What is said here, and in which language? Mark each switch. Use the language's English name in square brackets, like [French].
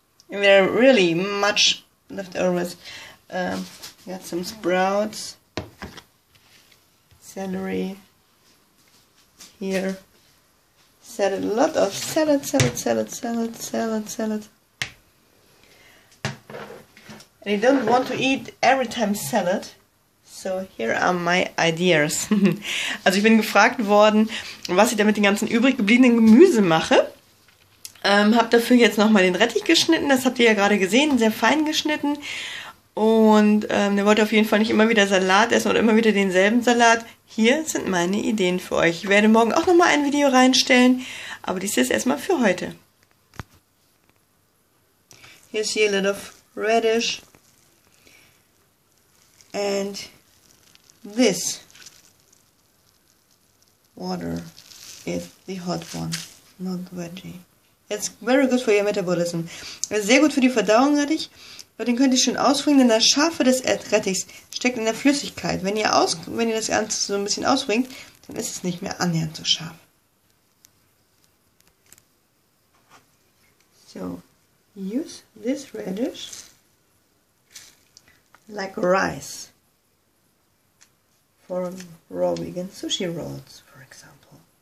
[English] There are really much leftovers. Got some sprouts, celery here. Salad, a lot of salad, salad, salad, salad, salad, salad. And you don't want to eat every time salad. So here are my ideas. [German] Also ich bin gefragt worden, was ich da mit den ganzen übrig gebliebenen Gemüse mache. Hab dafür jetzt nochmal den Rettich geschnitten, das habt ihr ja gerade gesehen, sehr fein geschnitten. Und der wollte auf jeden Fall nicht immer wieder Salat essen oder immer wieder denselben Salat. Hier sind meine Ideen für euch. Ich werde morgen auch nochmal ein Video reinstellen, aber dies ist erstmal für heute. Hier ist hier [English] a lot of radish. And this water is the hot one, not veggie. It's very good for your metabolism. [German] Sehr gut für die Verdauung, Rettich. Aber den könnt ihr schön ausbringen, denn das Scharfe des Rettichs steckt in der Flüssigkeit. Wenn ihr das Ganze so ein bisschen ausbringt, dann ist es nicht mehr annähernd so scharf. [English] So, use this radish like rice for raw vegan sushi rolls, for example.